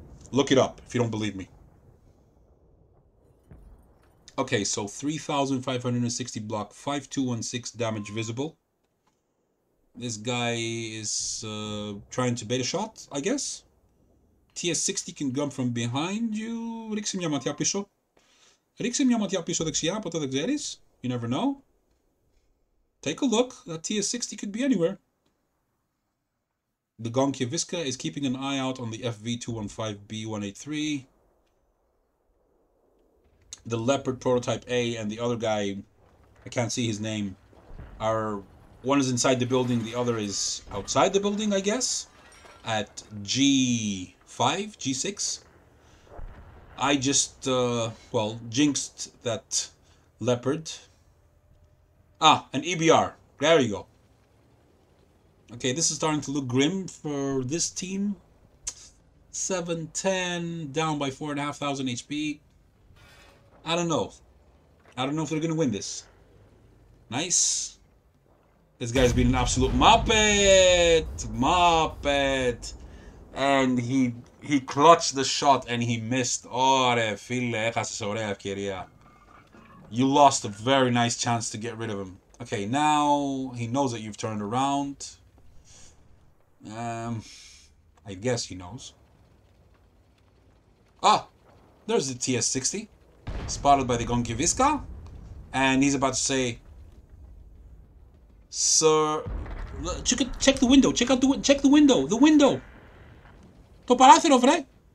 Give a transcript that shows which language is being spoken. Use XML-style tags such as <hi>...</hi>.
<en>Look it up if you don't believe me. Okay, so 3,560 block, 5,216 damage visible. This guy is trying to bait a shot, I guess. TS-60 can come from behind you.</en> <el>Ρίξε μια ματιά πίσω. Ρίξε μια ματιά πίσω δεξιά, ποτέ δεν ξέρεις.</el> <en>You never know. Take a look. That TS-60 could be anywhere. The Gonkia Visca is keeping an eye out on the FV215B183. The Leopard prototype A and the other guy, I can't see his name, are one is inside the building, the other is outside the building, I guess, at G5, G6. I just, well, jinxed that Leopard. Ah, an EBR. There you go. Okay, this is starting to look grim for this team. 7-10, down by 4,500 HP. I don't know. I don't know if they're gonna win this. Nice. This guy's been an absolute Muppet! And he clutched the shot and he missed.</en> <el>Ωραία, φίλε, έχασες ωραία ευκαιρία.</el> <en>You lost a very nice chance to get rid of him. Okay, now he knows that you've turned around. I guess he knows. Ah, there's the TS-60, spotted by the Gonkia Visca, and he's about to say, "Sir, check the window. Check the window. The window.</en> <el>To paráthiro, vre."</el>